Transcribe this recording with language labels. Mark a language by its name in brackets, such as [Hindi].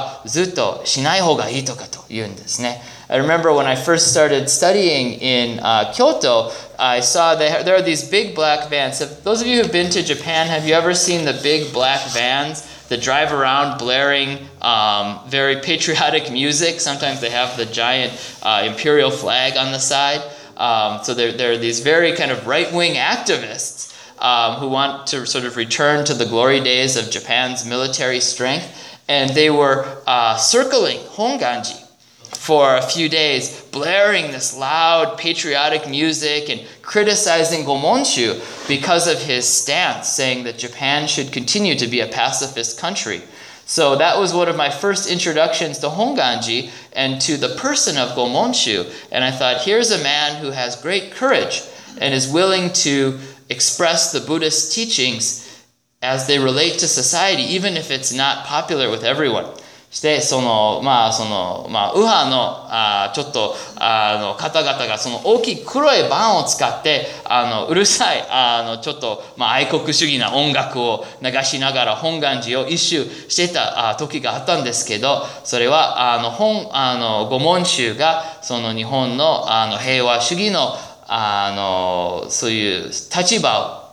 [Japanese] して、ゴモンシュ今のゴモンシュ釈迦ソクニョゴモンシュが、まあよくいろいろなところで現代の社会と関わりがあったことについて、して本当にいい方だと思います。特に日本が戦争を使って、その国と国の問題とかを戦争を使って解決することを日本はそれはずっとしない方がいいとかと言うんですね。 [English] I remember when I first started studying in Kyoto, I saw there are these big black vans. So those of you who've been to Japan, have you ever seen the big black vans that drive around blaring very patriotic music? Sometimes they have the giant imperial flag on the side. So there are these very kind of right-wing activists who want to sort of return to the glory days of Japan's military strength. And they were circling Honganji for a few days, blaring this loud patriotic music and criticizing Gomonshu because of his stance, saying that Japan should continue to be a pacifist country. So that was one of my first introductions to Honganji and to the person of Gomonshu. And I thought, here's a man who has great courage and is willing to express the Buddhist teachings as they relate to society, even if it's not popular with everyone. [Japanese] して、その、右派の、ちょっと、方々が、その大きい黒いバンを使って、うるさい、愛国主義な音楽を流しながら本願寺を一周してた、時があったんですけど、それは、ゴモンシュが、その日本の、平和主義の、そういう立場を